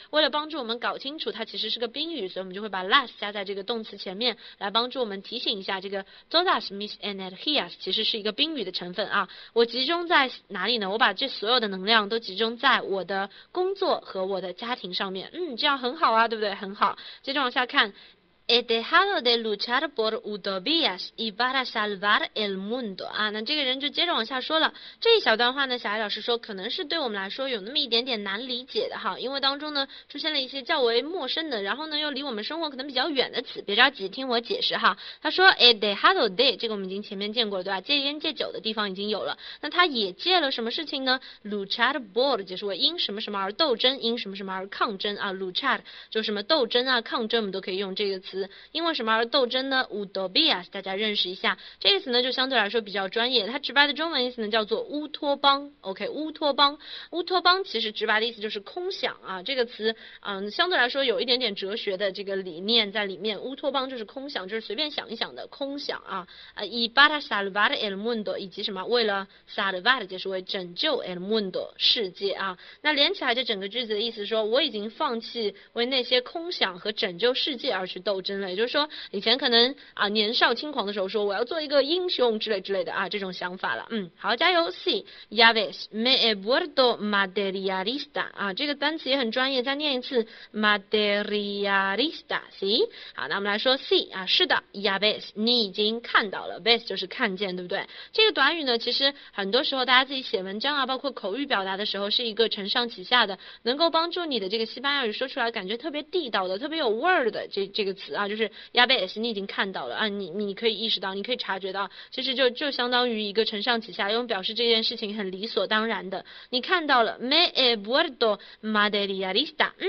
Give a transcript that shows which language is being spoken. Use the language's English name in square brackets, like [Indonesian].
[Chinese] 为了帮助我们搞清楚它其实是个宾语，所以我们就会把 las 加在这个动词前面，来帮助我们提醒一下，这个 [Spanish] todas mis energías [Chinese] 其实是一个宾语的成分啊。我集中在哪里呢？我把这所有的能量都集中在我的工作和我的家庭上面。这样很好啊，对不对？很好。接着往下看。 [Spanish] He dejado de luchar por utopías y para salvar el mundo 啊， [Chinese] 那这个人就接着往下说了。这一小段话呢，小艾老师说可能是对我们来说有那么一点点难理解的哈，因为当中呢出现了一些较为陌生的，然后呢又离我们生活可能比较远的词。别着急，听我解释哈。他说 He dejado de 这个我们已经前面见过了，对吧？戒烟戒酒的地方已经有了，那他也戒了什么事情呢？Luchar por 就是为因什么什么而斗争，因什么什么而抗争啊。Luchar 就什么斗争啊、抗争，我们都可以用这个词。词，因为什么而斗争呢？Utopias，大家认识一下。这个词呢，就相对来说比较专业，它直白的中文意思呢叫做乌托邦。 OK，乌托邦，乌托邦其实直白的意思就是空想啊。这个词，相对来说有一点点哲学的这个理念在里面。乌托邦就是空想，就是随便想一想的空想啊。以 [Spanish] para salvar el mundo， [Chinese] 以及什么为了 salvar，就是为拯救 el mundo 世界啊。那连起来这整个句子的意思说，我已经放弃为那些空想和拯救世界而去斗争了，也就是说，以前可能啊年少轻狂的时候说我要做一个英雄之类的啊这种想法了。好，加油！ [Spanish] Sí, ya ves, me he vuelto materialista [Chinese] 啊，这个单词也很专业，再念一次 materialista, sí。好，那我们来说 sí 啊，是的，ya ves, 你已经看到了，ves 就是看见，对不对？这个短语呢，其实很多时候大家自己写文章啊，包括口语表达的时候，是一个承上启下的，能够帮助你的这个西班牙语说出来感觉特别地道的、特别有味儿的这个词啊，就是 ya ves，你已经看到了啊，你可以意识到，你可以察觉到，其实就相当于一个承上启下，用表示这件事情很理所当然的，你看到了 [Spanish] me he vuelto materialista。